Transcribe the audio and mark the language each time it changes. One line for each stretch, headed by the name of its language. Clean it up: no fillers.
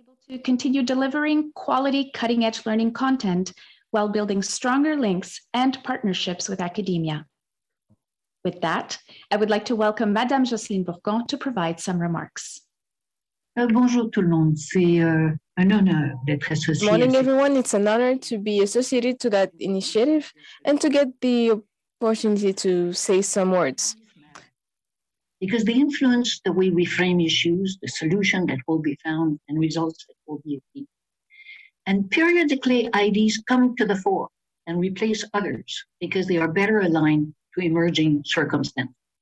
English: To continue delivering quality, cutting-edge learning content while building stronger links and partnerships with academia. With that, I would like to welcome Madame Jocelyne Bourgon to provide some remarks.
French: Bonjour tout le monde, c'est un honneur d'être associé.
English: Good morning, everyone. It's an honor to be associated to that initiative and to get the opportunity to say some words. Because they influence the way we frame issues, the solution that will be found, and results that will be achieved. And periodically, ideas come to the fore and replace others because they are better aligned to emerging circumstances.